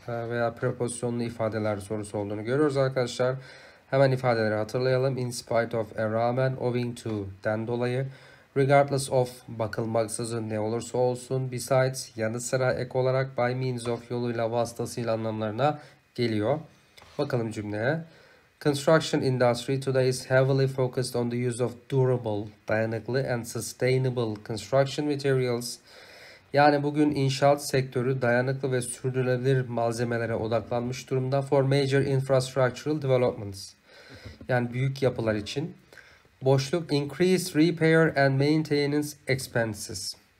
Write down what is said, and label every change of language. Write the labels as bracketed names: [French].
[Turkish] Veya prepozisyonlu ifadeler sorusu olduğunu görüyoruz arkadaşlar. Hemen ifadeleri hatırlayalım. In spite of, a rağmen, owing to'den dolayı. Regardless of, bakılmaksızın, ne olursa olsun, besides, yanı sıra, ek olarak, by means of, yoluyla, vasıtasıyla anlamlarına geliyor. Bakalım cümleye. [English] Construction industry today is heavily focused on the use of durable, dayanıklı and sustainable construction materials. [Turkish] Yani bugün inşaat sektörü dayanıklı ve sürdürülebilir malzemelere odaklanmış durumda. [English] For major infrastructural developments. [Turkish] Yani büyük yapılar için. [English] Boşluk, increase repair and maintenance expenses.